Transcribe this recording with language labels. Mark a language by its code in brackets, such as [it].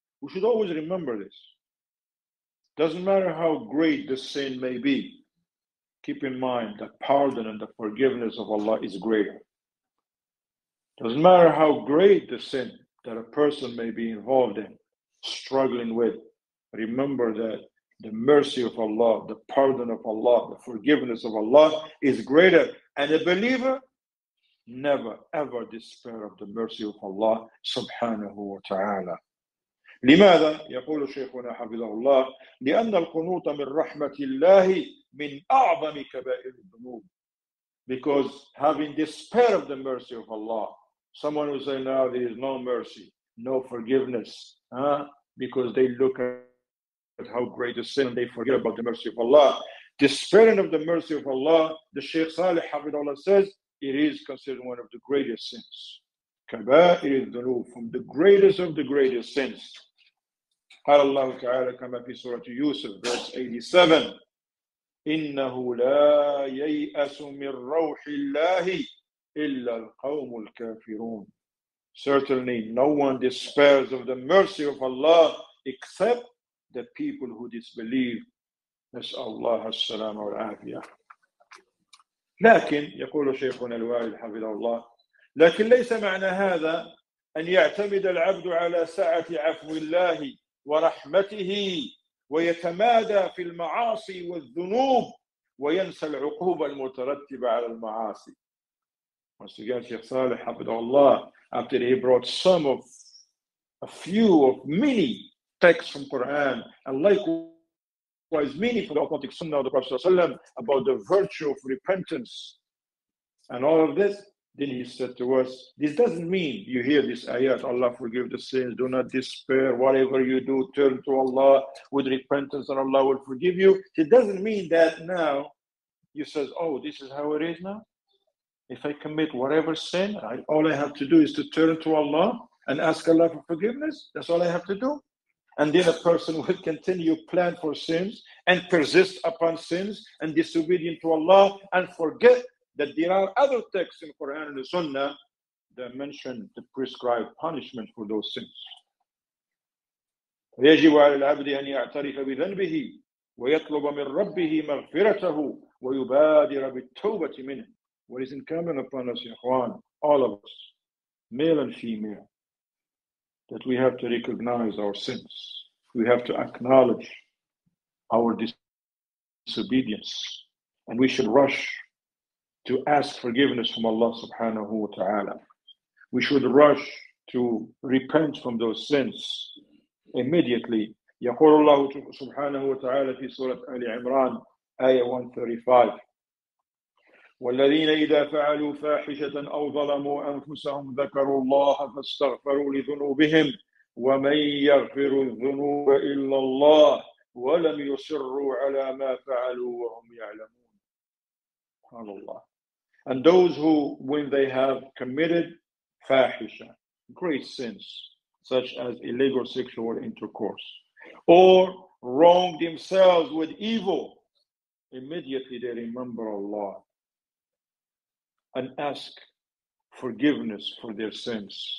[en] We should always remember this. Doesn't matter how great the sin may be, keep in mind that pardon and the forgiveness of Allah is greater. Doesn't matter how great the sin that a person may be involved in, struggling with, remember that the mercy of Allah, the pardon of Allah, the forgiveness of Allah is greater. And a believer never ever despair of the mercy of Allah subhanahu wa ta'ala. [ar] لماذا يقول شيخنا حفظه الله لأن القنوط من رحمة الله من أعظم كبائر الذنوب. [en] because having despair of the mercy of Allah, someone will say, no, there is no mercy, no forgiveness, because they look at how great a sin, they forget about the mercy of Allah. Despairing of the mercy of Allah, the Shaykh Saleh Hafidullah says, it is considered one of the greatest sins. Kabair is the root from the greatest of the greatest sins. [ar] قال الله تعالى كما في سورة يوسف [en] verse 87 [ar] إنه لا ييأس من روح الله إلا القوم الكافرون. [en] Certainly no one despairs of the mercy of Allah except the people who disbelieve. [ar] نسأل الله السلام والعافية. لكن يقول شيخنا الوالد حفظه الله لكن ليس معنى هذا أن يعتمد العبد على سعة عفو الله ورحمته ويتمادى في المعاصي والذنوب وينسى العقوبة المترتبة على المعاصي. [en] Once again, Sheikh Saleh [ar] حفظه الله, [en] after he brought some of a few of many texts from Quran and likewise many from the authentic Sunnah of the Prophet ﷺ about the virtue of repentance and all of this, then he said to us, this doesn't mean you hear this ayat, Allah forgive the sins, do not despair, whatever you do, turn to Allah with repentance and Allah will forgive you. It doesn't mean that now you say, oh, this is how it is now. If I commit whatever sin, all I have to do is to turn to Allah and ask Allah for forgiveness. That's all I have to do. And then a person will continue plan for sins and persist upon sins and disobedient to Allah and forget that there are other texts in Quran and the Sunnah that mention the prescribed punishment for those sins. [ar] يجب على العبد أن يعترف بذنبه ويطلب من ربه مغفرته ويبادر بالتوبة منه. [en] What is incumbent upon us, Ikhwan, all of us, male and female, that we have to recognize our sins. We have to acknowledge our disobedience. And we should rush to ask forgiveness from Allah subhanahu wa ta'ala. We should rush to repent from those sins immediately. [ar] يقول الله سبحانه وتعالى في سورة آل عمران آية 135 والذين إذا فعلوا فاحشة أو ظلموا أنفسهم ذكروا الله فاستغفروا لذنوبهم ومن يغفر الذنوب إلا الله ولم يصروا على ما فعلوا وهم يعلمون. قال الله. [en] And those who, when they have committed fahisha, great sins, such as illegal sexual intercourse, or wrong themselves with evil, immediately they remember Allah and ask forgiveness for their sins.